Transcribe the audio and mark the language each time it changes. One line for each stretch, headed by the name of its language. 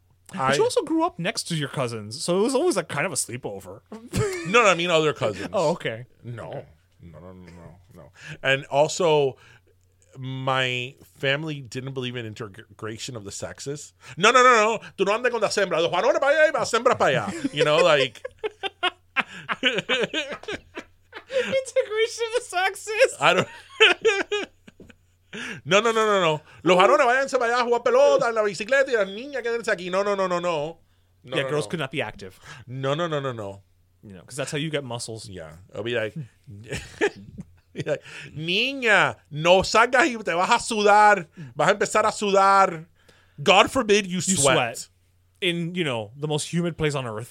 English: But you also grew up next to your cousins. So it was always, like, kind of a sleepover. No, I mean other cousins. Oh, okay. No. And also, my family didn't believe in integration of the sexes.
Spanish: No. Tú no andes con las hembras. Los varones para allá y las hembras para allá.
English: You know, like. Integration of the sexes. I don't. No.
Spanish: Los varones vayanse para allá a jugar pelota en la bicicleta y las niñas quédense aquí.
English: No. Yeah, no, girls no. Could not be active. No. You know, because that's how you get muscles. Yeah. I'll be like.
Spanish: Niña, no salgas y te vas a sudar. Vas a empezar a sudar.
English: God forbid you sweat. In, you know, the most humid place on earth.